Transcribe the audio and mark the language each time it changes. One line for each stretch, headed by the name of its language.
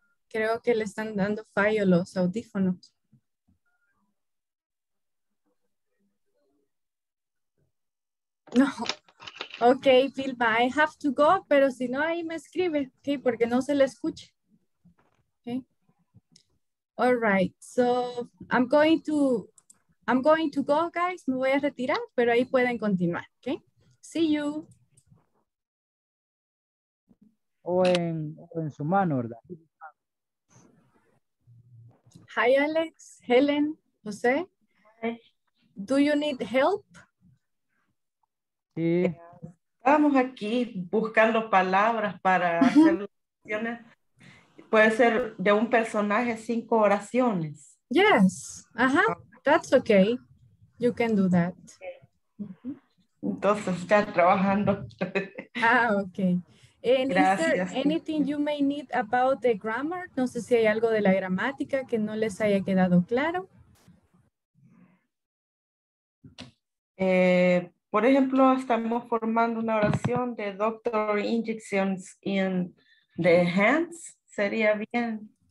Spanish: Creo que le están dando fallo los audífonos. No. Ok, Vilma,
English: I have to go,
Spanish: pero si no, ahí me escribe, ok, porque no se le escucha.
English: Okay. All right, so I'm going to go, guys.
Spanish: Me voy a retirar, pero ahí pueden continuar, ok.
English: See you.
Spanish: O en su mano, ¿verdad?
English: Hi, Alex, Helen, Jose. Hi. Do you need help?
Spanish: Sí. Estamos aquí buscando palabras para hacer oraciones. Puede ser de un personaje 5 oraciones.
English: Yes. Ajá. That's okay. You can do that.
Spanish: Entonces, ya trabajando.
English: Okay. And is there anything you may need about the grammar?
Spanish: No sé si hay algo de la gramática que no les haya quedado claro. Por ejemplo, estamos formando una oración de doctor
English: injections in the hands.
Spanish: Sería bien.